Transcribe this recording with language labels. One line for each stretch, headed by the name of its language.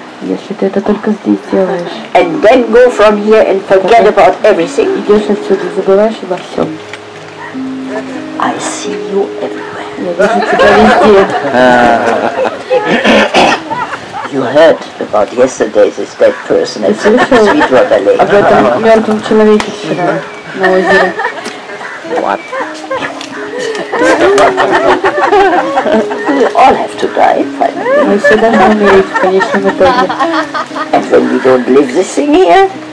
Russian: если ты это только здесь делаешь.
English: And then go from here and forget about everything.
Russian: Идешь отсюда, забываешь обо всем.
English: I see you everywhere.
Russian: Я вижу тебя везде.
English: You heard about yesterday this dead person at Sweetwater Lake.
Russian: Об этом мертвом человеке вчера на озере.
English: What? We all have to die, finally.
Russian: Мы все должны умереть в конечном итоге.
English: And when we don't live this thing here,